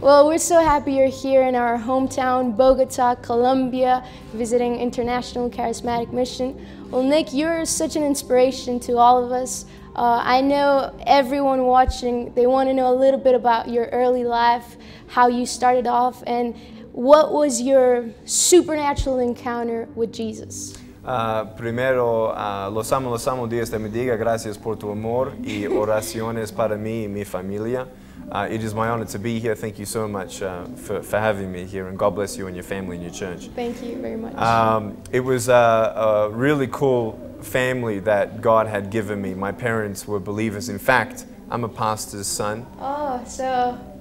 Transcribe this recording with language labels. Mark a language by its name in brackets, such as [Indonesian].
[English] Well, we're so happy you're here in our hometown, Bogota, Colombia, visiting International Charismatic Mission. Well, Nick, you're such an inspiration to all of us. I know everyone watching, they want to know a little bit about your early life, how you started off, and what was your supernatural encounter with Jesus? [Spanish] Primero, los amo, Dios te bendiga, gracias por tu amor y oraciones para mí y mi familia. [English] It is my honor to be here. Thank you so much for having me here, and God bless you and your family and your church. Thank you very much. It was a really cool family that God had given me. My parents were believers. In fact, I'm a pastor's son. Oh, so...